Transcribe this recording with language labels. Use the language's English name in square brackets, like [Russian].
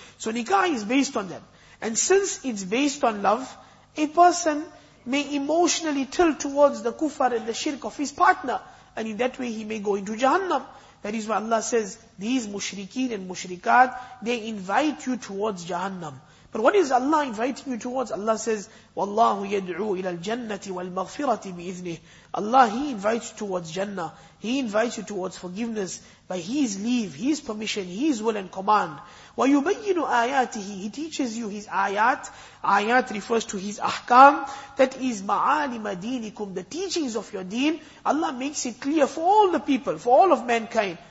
[English] So nikah is based on that. And since it's based on love, a person may emotionally tilt towards the kufr and the shirk of his partner. And in that way he may go into Jahannam. That is why Allah says, these mushrikeen and mushrikat, they invite you towards Jahannam. But what is Allah inviting you towards? Allah says, [Arabic] وَاللَّهُ يَدْعُو إِلَى الْجَنَّةِ وَالْمَغْفِرَةِ بِإِذْنِهِ. [English] Allah, He invites you towards Jannah. He invites you towards forgiveness by His leave, His permission, His will and command. [Arabic] وَيُبَيِّنُ آيَاتِهِ. [English] He teaches you His ayat. Ayat refers to His ahkam. That is [Arabic] مَعَالِمَ دِينِكُمْ. [English] The teachings of your deen. Allah makes it clear for all the people, for all of mankind.